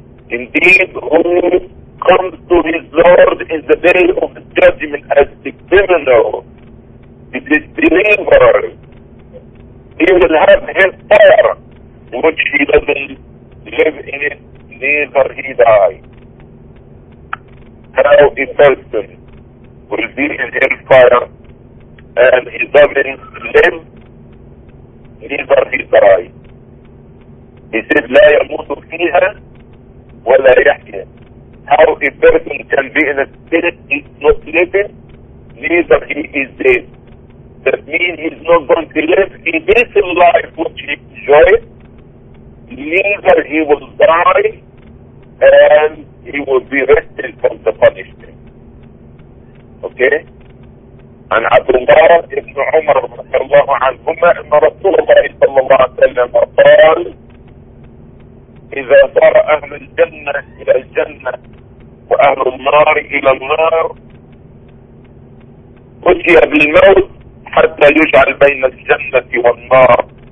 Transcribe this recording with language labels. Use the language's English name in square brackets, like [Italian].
[English] Indeed, who comes to his Lord in the day of judgment as the criminal, the disbeliever, he will have hellfire, which he doesn't live in it, neither he die. How a person will be in hellfire and he doesn't live, neither he die. He said, [Arabic] لا يموت فيها ولا يحيا. [English] How a person can be in a spirit, he's not living, neither he is dead. That means he's not going to live in this life which he enjoys, neither he will die, and he will be rested from the punishment. Okay? And Abdullah ibn Umar radiallahu anhuma, and Rasulullah sallallahu alayhi wa sallam, [Arabic] قال, إذا صار أهل الجنة إلى الجنة وأهل النار إلى النار أتي بالموت حتى يجعل بين الجنة والنار